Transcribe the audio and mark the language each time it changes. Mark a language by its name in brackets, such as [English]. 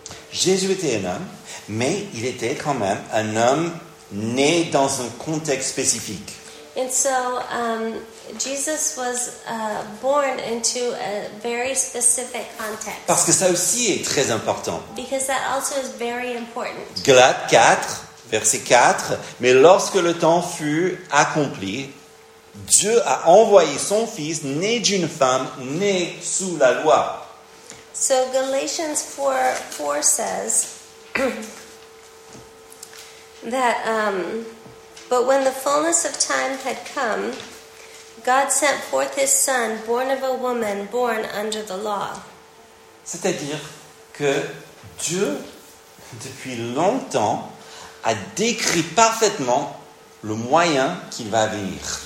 [French] Jésus était un homme, mais il était quand même un homme né dans un contexte spécifique. [English] And so Jesus was born into a very specific context. [French] Parce que ça aussi est très important. [English] Because that also is very important. [French] Galates 4, verset 4. Mais lorsque le temps fut accompli, Dieu a envoyé son fils né d'une femme, né sous la loi. [English] So Galatians 4:4 says that but when the fullness of time had come, God sent forth his son, born of a woman, born under the law. [French] C'est-à-dire que Dieu, depuis longtemps, a décrit parfaitement le moyen qu'il va venir.